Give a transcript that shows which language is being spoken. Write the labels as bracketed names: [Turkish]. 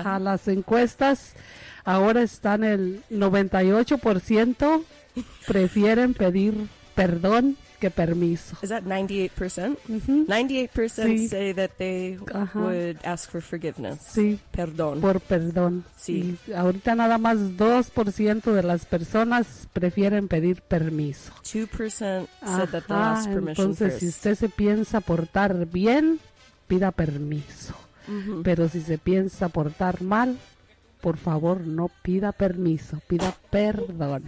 [Spanish] Ajá, las encuestas ahora están el 98% prefieren pedir perdón. Que permiso. [English] Is that 98%? Mm-hmm. [Spanish] 98% sí. [English] Say that they, uh-huh, would ask for forgiveness. [Spanish] Sí. Perdón. Por perdón. Sí. Y ahorita nada más 2% de las personas prefieren pedir permiso. [English] 2% said, ajá, that they ask permission. [Spanish] Entonces, [English] first. [Spanish] Si usted se piensa portar bien, pida permiso. Mm-hmm. Pero si se piensa portar mal, por favor, no pida permiso, pida perdón.